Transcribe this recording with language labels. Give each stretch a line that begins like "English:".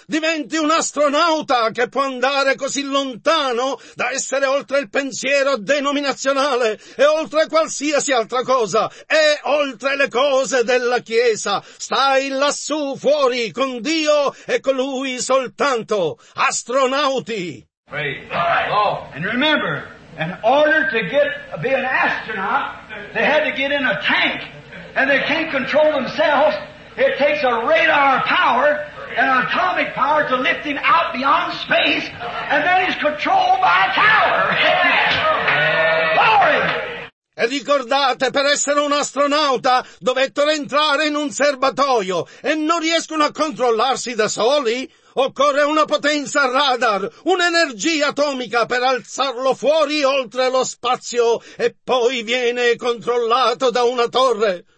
Italian: Diventi un astronauta che può andare così lontano da essere oltre il pensiero denominazionale e oltre qualsiasi altra cosa e oltre le cose della Chiesa. Stai lassù fuori con Dio e con Lui soltanto. Astronauti!
English: And remember, in order to get be an astronaut, they had to get in a tank and they can't control themselves. It takes a radar power and atomic power to lift him out beyond space, and then he's controlled by a tower. Glory!
Italian: E ricordate, per essere un astronauta dovettero entrare in un serbatoio e non riescono a controllarsi da soli? Occorre una potenza radar, un'energia atomica per alzarlo fuori oltre lo spazio e poi viene controllato da una torre.